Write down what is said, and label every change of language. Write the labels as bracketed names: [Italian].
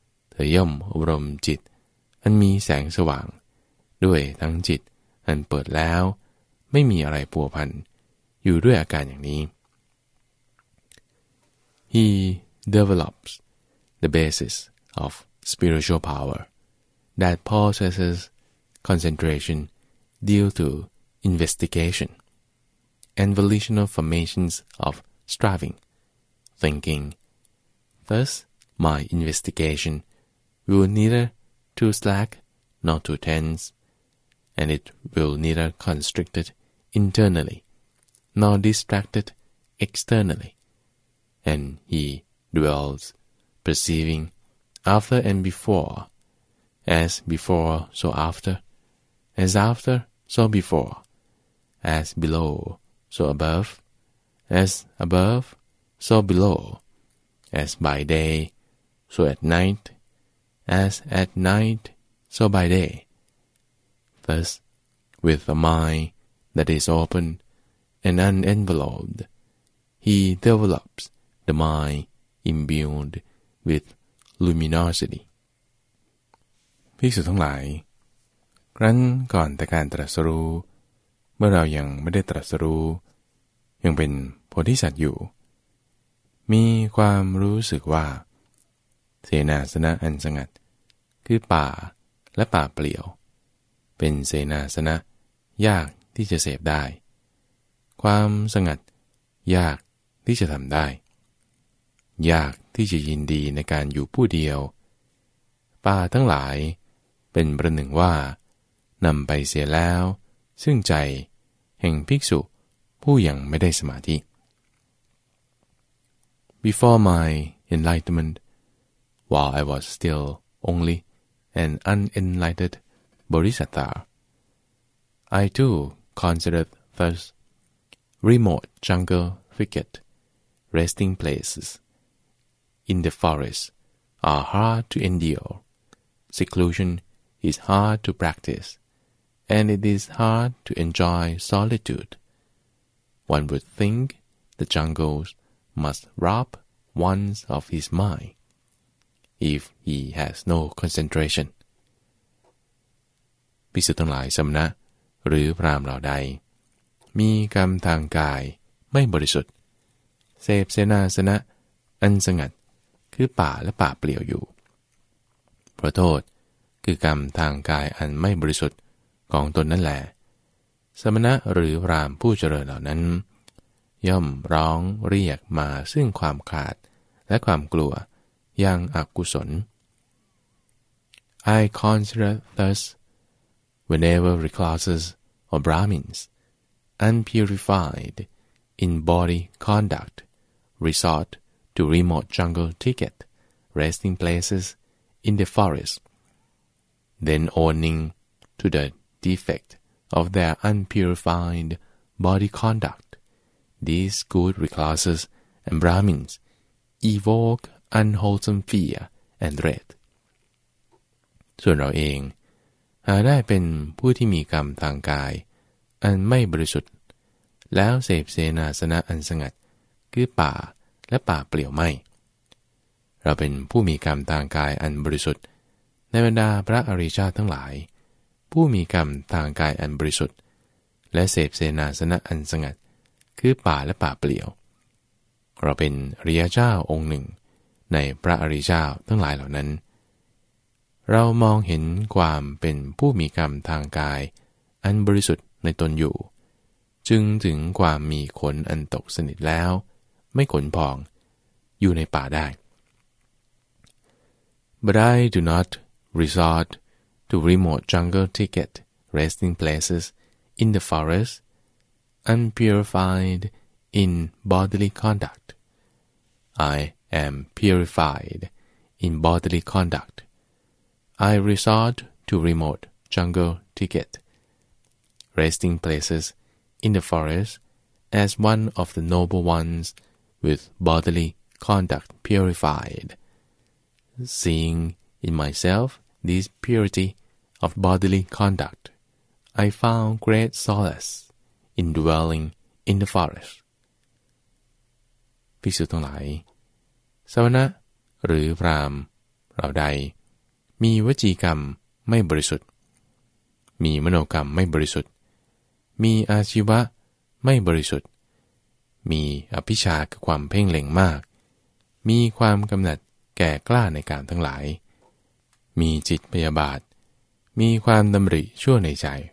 [Thai] เธอย่อมอบรมจิตอันมีแสงสว่างด้วยทั้งจิตอันเปิดแล้วไม่มีอะไรปัวพันอยู่ด้วยอาการอย่างนี้ [English] He develops the basis of spiritual power that possesses concentration due toinvestigation and volitional formations of striving, thinking. Thus, my investigation will neither too slack nor too tense, and it will neither constrict it internally nor distract it externally. And he dwells perceiving after and before, as before so after, as after so before. As below, so above. As above, so below. As by day, so at night. As at night, so by day. Thus, with a mind that is open and unenveloped, he develops the mind imbued with luminosity. [Thai] ภิกษุทั้งหลายครั้นก่อนแต่การตรัสรู้เมื่อเรายังไม่ได้ตรัสรู้ยังเป็นโพธิสัตว์อยู่มีความรู้สึกว่าเสนาสนะอันสงัดคือป่าและป่าเปลี่ยวเป็นเสนาสนะยากที่จะเสพได้ความสงัดยากที่จะทำได้ ยากที่จะยินดีในการอยู่ผู้เดียวป่าทั้งหลายเป็นประหนึ่งว่านำไปเสียแล้วซึ่งใจแห่งภิกษุผู้ยังไม่ได้สมาธิ [English] Before my enlightenment, while I was still only an unenlightened bodhisattva, I too considered thus, remote jungle thicket, resting places in the forest are hard to endure. Seclusion is hard to practice, and it is hard to enjoy solitude. One would think the jungles must rob one of his mind if he has no concentration. [Thai] ภิกษุทั้งหลายสมณะหรือพราหมณ์เหล่าใดมีกรรมทางกายไม่บริสุทธิ์เสพเสนาสนะอันสงัดคือป่าและป่าเปลี่ยวอยู่เพราะโทษคือกรรมทางกายอันไม่บริสุทธิ์ของตนนั่นแหละสมณะหรือพราหมณ์ผู้เจริญเหล่านั้นย่อมร้องเรียกมาซึ่งความขาดและความกลัวอย่างอกุศล [English] I consider thusWhenever recluses or Brahmins, unpurified in body conduct, resort to remote jungle thicket, resting places in the forest, then owning to the defect of their unpurified body conduct, these good recluses and Brahmins evoke unwholesome fear and dread. [Thai] ส่วนเราเองหาได้เป็นผู้ที่มีกรรมทางกายอันไม่บริสุทธิ์แล้วเสพเสนาสนะอันสงัดคือป่าและป่าเปลี่ยวไม่เราเป็นผู้มีกรรมทางกายอันบริสุทธิ์ในบรรดาพระอริยชาติทั้งหลายผู้มีกรรมทางกายอันบริสุทธิ์และเสพเสนาสนะอันสงัดคือป่าและป่าเปลี่ยวเราเป็นอริยเจ้าองค์หนึ่งในพระอริยเจ้าทั้งหลายเหล่านั้น เรามองเห็นความเป็นผู้มีกรรมทางกายอันบริสุทธิ์ในตนอยู่จึงถึงความมีขนอันตกสนิทแล้วไม่ขนพองอยู่ในป่าได้ [English] But I do not resort to remote jungle thicket resting places in the forest unpurified in bodily conduct I am purified in bodily conductI resort to remote jungle thicket, resting places in the forest as one of the noble ones with bodily conduct purified. Seeing in myself this purity of bodily conduct, I found great solace in dwelling in the forest. [Thai] ภิกษุทั้งหลายสมณะหรือพราหมณ์เราใดมีวจีกรรมไม่บริสุทธิ์มีมโนกรรมไม่บริสุทธิ์มีอาชีวะไม่บริสุทธิ์มีอภิชฌาคือความเพ่งเล็งมากมีความกำหนัดแก่กล้าในการทั้งหลายมีจิตพยาบาทมีความดำริชั่วในใจ